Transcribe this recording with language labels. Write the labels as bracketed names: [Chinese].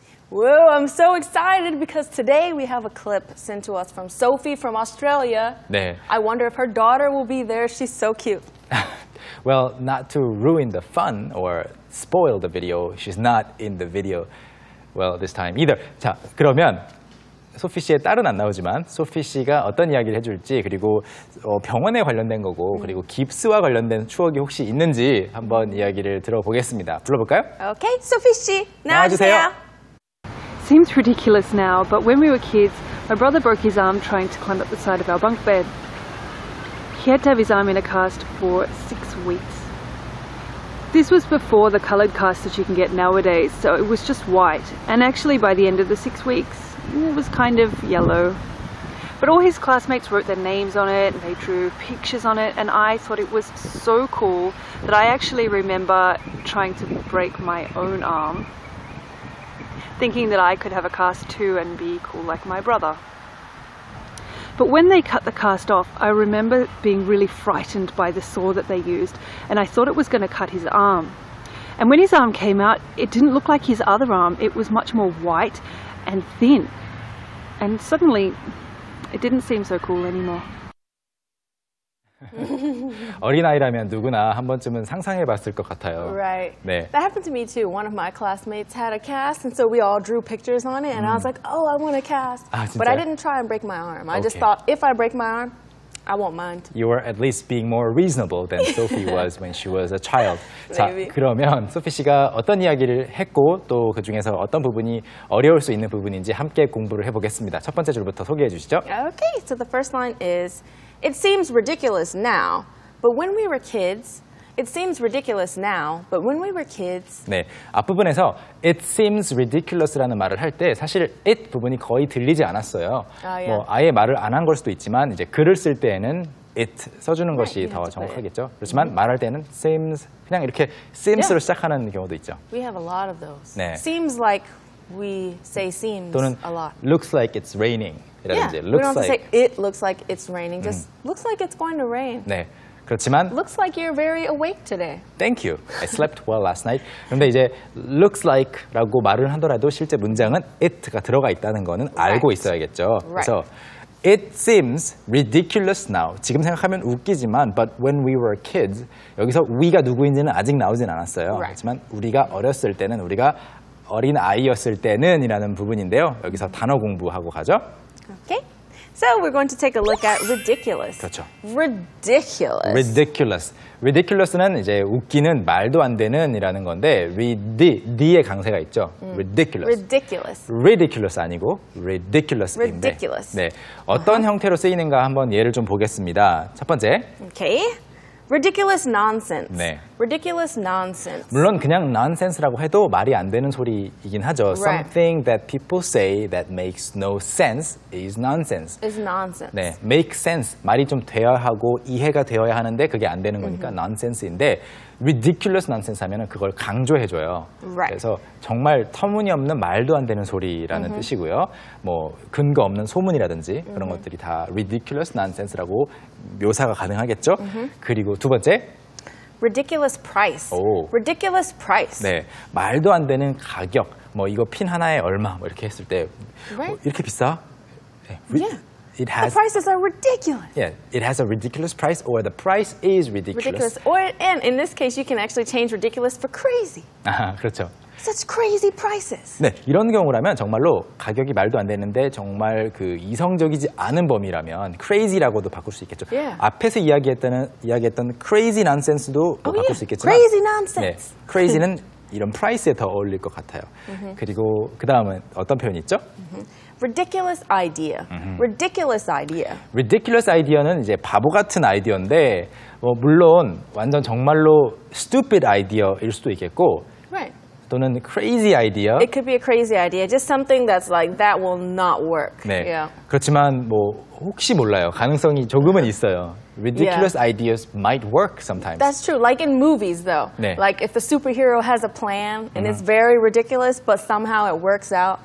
[English] Whoa, I'm so excited because today we have a clip sent to us from Sophie from Australia. [Korean] 네. [English] I wonder if her daughter will be there. She's so cute. Well, not to ruin the fun or spoil the video, she's not in the video, well, this time either. [Korean] 자, 그러면 소피 씨의 딸은 안 나오지만 소피 씨가 어떤 이야기를 해줄지 그리고 병원에 관련된 거고 그리고 깁스와 관련된 추억이 혹시 있는지 한번 이야기를 들어보겠습니다. 불러볼까요? Okay, 소피 씨, 나와주세요. [English] Seems ridiculous now, but when we were kids, my brother broke his arm trying to climb up the side of our bunk bed. He had to have his arm in a cast for 6 weeks. This was before the coloured cast that you can get nowadays, so it was just white. And actually, by the end of the 6 weeks, it was kind of yellow. But all his classmates wrote their names on it, and they drew pictures on it, and I thought it was so cool that I actually remember trying to break my own arm, thinking that I could have a cast too and be cool like my brother. But when they cut the cast off, I remember being really frightened by the saw that they used, and I thought it was going to cut his arm. And when his arm came out, it didn't look like his other arm. It was much more white and thin. And suddenly, it didn't seem so cool anymore. [Korean] 어린아이라면 누구나 한 번쯤은 상상해 봤을 것 같아요. [English] Right. 네. That happened to me too. One of my classmates had a cast and so we all drew pictures on it and I was like, "Oh, I want a cast." [Korean] 아, [English] But I didn't try and break my arm. I just thought if I break my arm, I won't mind. You were at least being more reasonable than Sophie was when she was a child. [Korean] 자, 그러면 소피 씨가 어떤 이야기를 했고 또 그 중에서 어떤 부분이 어려울 수 있는 부분인지 함께 공부를 해 보겠습니다. 첫 번째 줄부터 소개해 주시죠. [English] Okay. So the first line is It seems ridiculous now, but when we were kids, it seems ridiculous now, but when we were kids. [Korean] 네, 앞부분에서 [English] it seems ridiculous [Korean] 라는 말을 할 때 사실 it 부분이 거의 들리지 않았어요. [English] Oh, yeah. [Korean] 뭐 아예 말을 안 한 걸 수도 있지만 이제 글을 쓸 때에는 it 써주는 것이 [English] right, [Korean] 더 정확하겠죠. 그렇지만 말할 때는 seems 그냥 이렇게 seems로 [English] yeah. [Korean] 시작하는 경우도 있죠. [English] We have a lot of those. [Korean] 네. [English] Seems like we say seems [Korean] 또는 [English] a lot. Looks like it's raining. Yeah, looks we don't have like. to say it looks like it's raining. Just looks like it's going to rain. [Korean] 네, 그렇지만 [English] looks like you're very awake today. Thank you. I slept well last night. [Korean] 그런데 이제 looks like라고 말을 하더라도 실제 문장은 it가 들어가 있다는 거는 알고 [English] right. [Korean] 있어야겠죠. [English] Right. [Korean] 그래서 [English] it seems ridiculous now. [Korean] 지금 생각하면 웃기지만 [English] but when we were kids [Korean] 여기서 we가 누구인지는 아직 나오진 않았어요. [English] Right. [Korean] 그렇지만 우리가 어렸을 때는 우리가 어린 아이였을 때는이라는 부분인데요. 여기서 단어 공부하고 가죠. [English] Okay, so we're going to take a look at ridiculous. [Korean] 그렇죠. [English] Ridiculous. [Korean] Ridiculous. Ridiculous는 이제 웃기는 말도 안 되는이라는 건데, D의 강세가 있죠. Ridiculous. [English] Ridiculous. [Korean] Ridiculous 아니고 ridiculous인데. [English] Ridiculous. [Korean] 네, 어떤 uh-huh. 형태로 쓰이는가 한번 예를 좀 보겠습니다. 첫 번째. [English] Okay. Ridiculous nonsense. [Korean] 네. [English] Ridiculous nonsense. [Korean] 물론 그냥 nonsense라고 해도 말이 안 되는 소리이긴 하죠. [English] Right. Something that people say that makes no sense is nonsense. Is nonsense. 네, make sense. [Korean] 말이 좀 돼야 하고 이해가 되어야 하는데 그게 안 되는 거니까 mm-hmm. nonsense인데 ridiculous nonsense 하면은 그걸 강조해줘요. [English] Right. [Korean] 그래서 정말 터무니없는 말도 안 되는 소리라는 mm-hmm. 뜻이고요. 뭐 근거 없는 소문이라든지 mm-hmm. 그런 것들이 다 ridiculous nonsense라고 묘사가 가능하겠죠. Mm-hmm. 그리고 두 번째. [English] Ridiculous price. 오. Ridiculous price. [Korean] 네, 말도 안 되는 가격. 뭐 이거 핀 하나에 얼마? 뭐 이렇게 했을 때 [English] right. [Korean] 뭐 이렇게 비싸? 네. [English] Yeah. It has, the prices are ridiculous. Yeah, it has a ridiculous price, or the price is ridiculous. Ridiculous. Or and in this case, you can actually change ridiculous for crazy. [Korean] 아, 그렇죠. [English] Such crazy prices. [Korean] 네, 이런 경우라면 정말로 가격이 말도 안 되는데 정말 그 이성적이지 않은 범위라면 crazy라고도 바꿀 수 있겠죠. [English] Yeah. [Korean] 앞에서 이야기했던 crazy nonsense도 [English] oh, [Korean] 바꿀 [English] yeah. [Korean] 수 있겠지만 [English] crazy nonsense. [Korean] 네, crazy는 이런 price에 더 어울릴 것 같아요. Mm-hmm. 그리고 그 다음은 어떤 표현이 있죠? [English] Mm-hmm. Ridiculous idea. Mm-hmm. Ridiculous idea. [Korean] Ridiculous idea는 이제 바보 같은 아이디어인데 뭐 물론 완전 정말로 stupid idea일 수도 있겠고 [English] right. 또는 crazy idea. It could be a crazy idea. Just something that's like, that will not work. 네. Yeah. [Korean] 그렇지만 뭐 혹시 몰라요. 가능성이 조금은 있어요. [English] Ridiculous yeah. ideas might work sometimes. That's true. Like in movies though. [Korean] 네. [English] Like if the superhero has a plan and mm-hmm. it's very ridiculous, but somehow it works out.